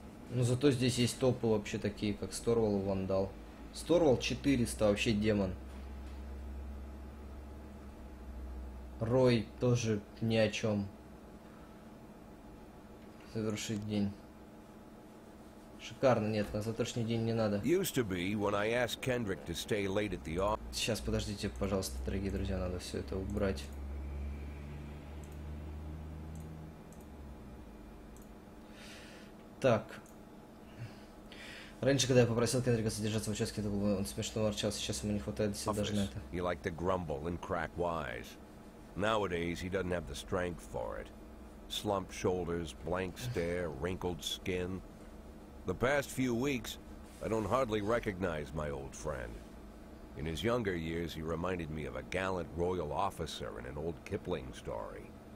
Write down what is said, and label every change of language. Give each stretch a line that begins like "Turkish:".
Russian: Ну зато здесь есть топы вообще такие, как Сторвал и Вандал. Сторвал 400, вообще демон. Рой тоже ни о чем. Завершить день. Шикарно, нет, на завтрашний день не надо.
English: Used to be when I asked Kendrick to stay late at the office.
Russian: Сейчас, подождите, пожалуйста, дорогие друзья, надо все это убрать. Так. Раньше, когда я попросил Кендрика задержаться в участке, он смешно ворчал, сейчас ему не хватает сил даже на это.
English: He liked to grumble and crack wise. Nowadays he doesn't have the strength for it. Slumped shoulders, blank stare, wrinkled skin. The past few weeks, I don't hardly recognize my old friend. In his younger years, he reminded me of a gallant royal officer in an old Kipling story.